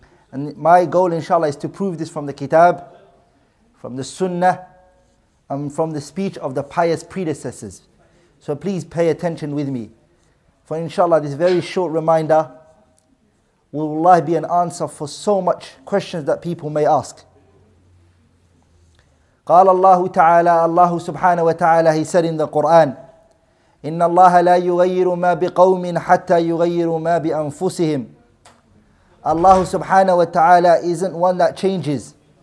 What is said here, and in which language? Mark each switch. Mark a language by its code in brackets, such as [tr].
[en] And my goal inshallah is to prove this from the kitab, from the sunnah, and from the speech of the pious predecessors. So please pay attention with me. For inshallah this very short reminder will wallahi be an answer for so much questions that people may ask. [ar] قال الله تعالى الله سبحانه وتعالى [en] he said in the Quran [ar] إن الله لا يغير ما بقوم حتى يغير ما بأنفسهم. [en] Allah subhanahu wa ta'ala isn't one that changes.